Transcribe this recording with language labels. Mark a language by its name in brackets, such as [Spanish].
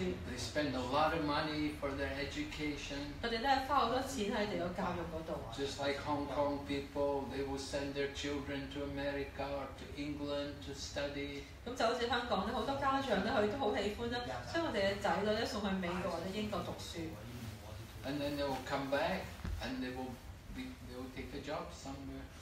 [English] They spend a lot of money for their education. [Cantonese] 佢哋咧花好多錢喺佢哋嘅教育嗰度。 [English] Just like Hong Kong people, they will send their children to America or to England to study. [Cantonese] 咁就好似香港咧，好多家長咧，佢都好喜歡咧，將我哋嘅仔女咧送去美國或者英國讀書。 [English] And then they will come back, and they will take a job somewhere.